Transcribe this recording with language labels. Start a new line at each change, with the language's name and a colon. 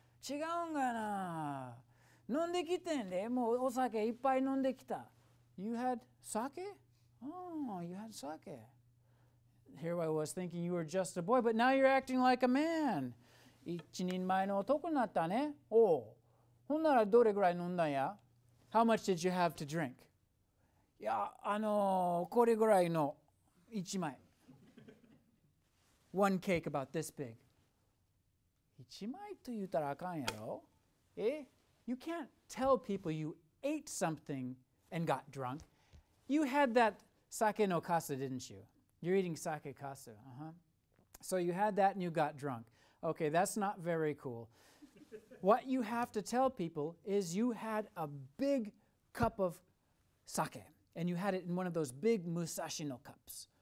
Japanese: 違うんかな飲んできてんで、もうお酒いっぱい飲んできた。
English: You had sake? Oh, you had sake. Here I was thinking you were just a boy, but now you're acting like a man.
Japanese: 一人前の男になったね。おう。ほんならどれぐらい飲んだんや
English: ?How much did you have to drink?
Japanese: いや、これぐらいの一枚。
English: One cake about this big.
Japanese: 一枚と言ったらあかんやろ。え?
English: You can't tell people you ate something and got drunk. You had that sake no kasu, didn't you? You're eating sake kasu. Uh-huh. So you had that and you got drunk. Okay, that's not very cool. What you have to tell people is you had a big cup of sake and you had it in one of those big musashi no cups.